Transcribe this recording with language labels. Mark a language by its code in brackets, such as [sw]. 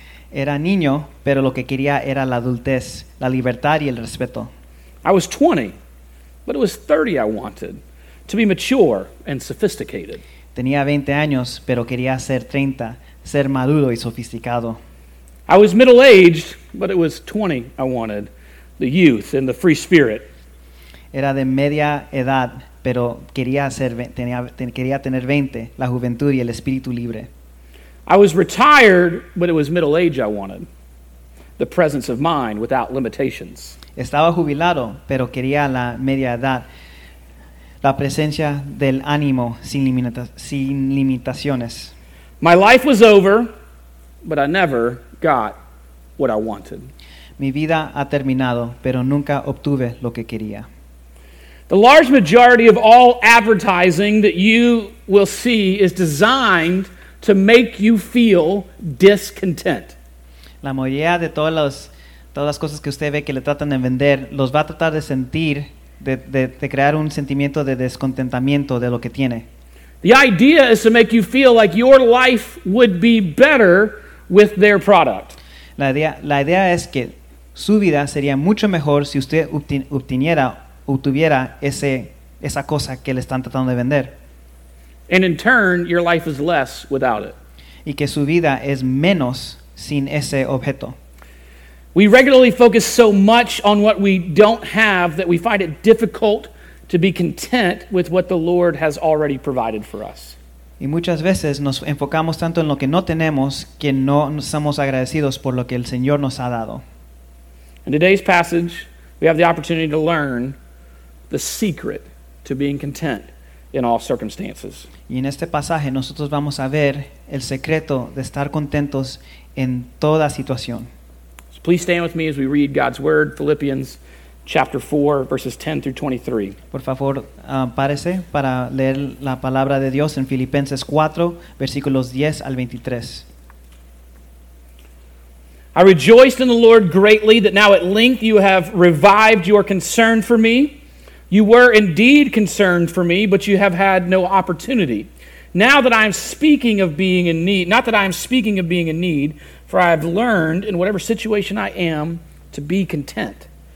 [es] Era niño, pero lo que quería era la adultez, la libertad y el respeto. [en] I was 20, but it was 30 I wanted, to be mature and sophisticated. [es] Tenía 20 años, pero quería ser 30, ser maduro y sofisticado. [en] I was middle-aged, but it was 20 I wanted, the youth and the free spirit. [es] Era de media edad, pero quería tener 20, la juventud y el espíritu libre. [en] I was retired, but it was middle age I wanted. The presence of mind without limitations. [es] Estaba jubilado, pero quería la media edad. La presencia del ánimo sin limitaciones. [en] My life was over, but I never got what I wanted. [es] Mi vida ha terminado, pero nunca obtuve lo que quería. [en] The large majority of all advertising that you will see is designed to make you feel discontent. [es] La mayoría de todos los todas las cosas que usted ve que le tratan de vender, los va a tratar de sentir, de crear un sentimiento de descontentamiento de lo que tiene. [en] The idea is to make you feel like your life would be better with their product. [es] La idea es que su vida sería mucho mejor si usted obtuviera esa cosa que le están tratando de vender. [en] And in turn, your life is less without it. [es] Y que su vida es menos sin ese objeto. [en] We regularly focus so much on what we don't have that we find it difficult to be content with what the Lord has already provided for us. [es] Y muchas veces nos enfocamos tanto en lo que no tenemos que no somos agradecidos por lo que el Señor nos ha dado. [en] In today's passage, we have the opportunity to learn the secret to being content in all circumstances. [es] Y en este pasaje nosotros vamos a ver el secreto de estar contentos en toda situación. [en] So please stand with me as we read God's word, Philippians chapter 4, verses 10 through 23. [es] Por favor, párese para leer la palabra de Dios en Filipenses 4, versículos 10 al 23. [en] I rejoiced in the Lord greatly that now at length you have revived your concern for me. You were indeed concerned for me, but you have had no opportunity. Now that I am speaking of being in need, not that I am speaking of being in need, for I have learned in whatever situation I am to be content.